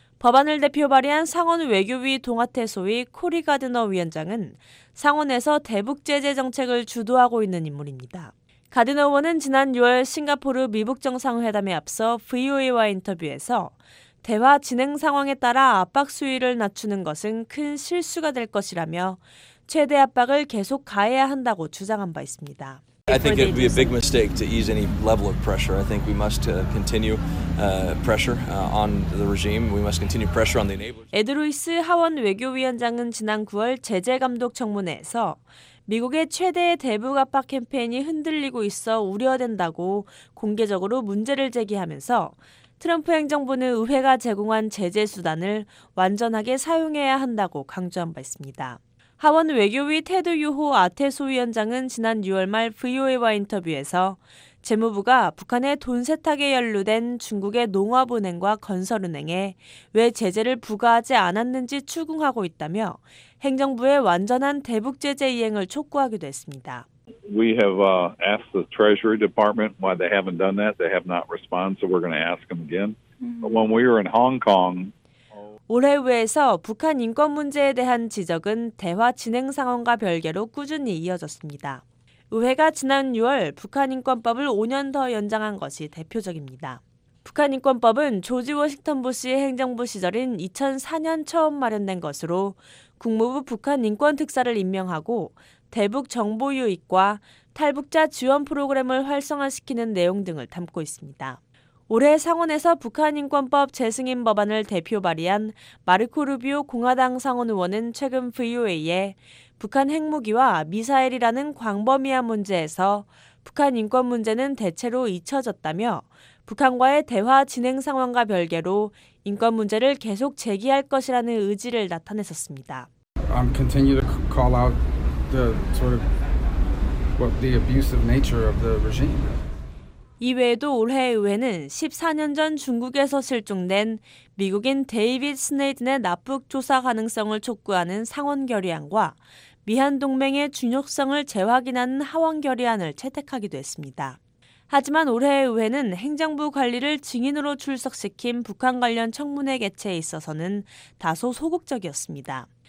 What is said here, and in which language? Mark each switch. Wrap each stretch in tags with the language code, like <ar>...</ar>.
<ko>법안을 대표 발의한 상원 외교위 동아태 소위 코리 가드너 위원장은 상원에서 대북 제재 정책을 주도하고 있는 인물입니다. 가드너 의원은 지난 6월 싱가포르 미북 정상회담에 앞서 VOA와 인터뷰에서 대화 진행 상황에 따라 압박 수위를 낮추는 것은 큰 실수가 될 것이라며 최대 압박을 계속 가해야 한다고 주장한 바 있습니다.</ko> <en>I think it would be a big mistake to ease any level of pressure. I think we must continue pressure on the regime. We must continue pressure on the neighbors.</en> <ko>에드루이스 하원 외교위원장은 지난 9월 제재 감독 청문회에서 미국의 최대 대북 압박 캠페인이 흔들리고 있어 우려된다고 공개적으로 문제를 제기하면서 트럼프 행정부는 의회가 제공한 제재 수단을 완전하게 사용해야 한다고 강조한 바 있습니다. 하원 외교위 테드 유호 아테소 위원장은 지난 6월 말 VOA와 인터뷰에서 재무부가 북한의 돈 세탁에 연루된 중국의 농업은행과 건설은행에 왜 제재를 부과하지 않았는지 추궁하고 있다며 행정부의 완전한 대북 제재 이행을 촉구하기도 했습니다.</ko> <en>We have asked the Treasury Department why they haven't done that. They have not responded, so we're going to ask them again. But when we were in Hong Kong,</en> <ko>올해 의회에서 북한 인권 문제에 대한 지적은 대화 진행 상황과 별개로 꾸준히 이어졌습니다. 의회가 지난 6월 북한 인권법을 5년 더 연장한 것이 대표적입니다. 북한 인권법은 조지 워싱턴 부시 행정부 시절인 2004년 처음 마련된 것으로 국무부 북한 인권 특사를 임명하고 대북 정보 유입과 탈북자 지원 프로그램을 활성화시키는 내용 등을 담고 있습니다. 올해 상원에서 북한인권법 재승인 법안을 대표 발의한 마르코 루비오 공화당 상원 의원은 최근 VOA에 북한 핵무기와 미사일이라는 광범위한 문제에서 북한 인권 문제는 대체로 잊혀졌다며 북한과의 대화 진행 상황과 별개로 인권 문제를 계속 제기할 것이라는 의지를 나타냈었습니다.</ko> <en>I'm continue to call out the sort of what the abusive nature of the regime.</en> <ko>이외에도 올해 의회는 14년 전 중국에서 실종된 미국인 데이빗 스네이든의 납북 조사 가능성을 촉구하는 상원 결의안과 미한 동맹의 중요성을 재확인하는 하원 결의안을 채택하기도 했습니다. 하지만 올해 의회는 행정부 관리를 증인으로 출석시킨 북한 관련 청문회 개최에 있어서는 다소 소극적이었습니다.</ko>